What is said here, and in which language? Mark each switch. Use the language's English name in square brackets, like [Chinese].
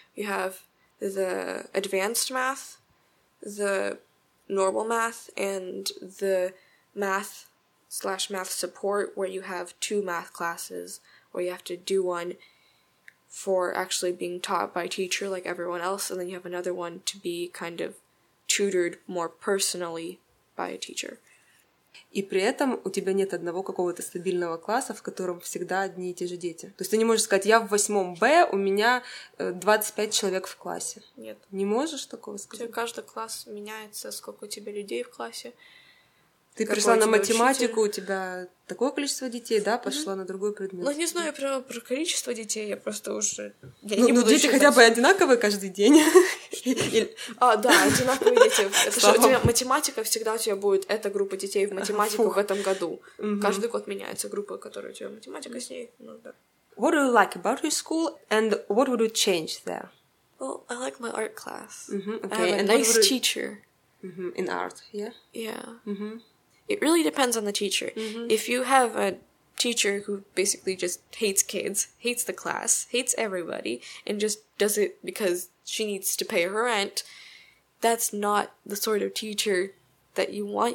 [English] You have the advanced math, the normal math, and the math slash math support, where you have two math classes, where you have to do one for actually being taught by a teacher like everyone else, and then you have another one to be kind of tutored more personally by a teacher. [Russian] И при этом у тебя нет одного какого-то стабильного класса, в котором всегда одни и те же дети. То есть ты не можешь сказать, я в восьмом Б, у меня 25 человек в классе. Нет. Не можешь такого сказать? У тебя каждый класс меняется, сколько у тебя людей в классе. Ты пришла на математику, учитель? У тебя такое количество детей, да, пошла mm-hmm. на другой предмет. Ну, не знаю прямо про количество детей, я просто уже... Я ну, дети считать. Хотя бы одинаковые каждый день. А, да, одинаковые дети. Это же у тебя математика, всегда у тебя будет эта группа детей в математику в этом году. Каждый год меняется группа, которая у тебя математика с ней. [English] What do you like about your school and what would you change there? Well, I like my art class. I have a nice teacher. In art, yeah? Yeah. It really depends on the teacher. If you have a teacher who basically just hates kids, hates the class, hates everybody, and just does it because she needs to pay her rent, that's not the sort of teacher that you want.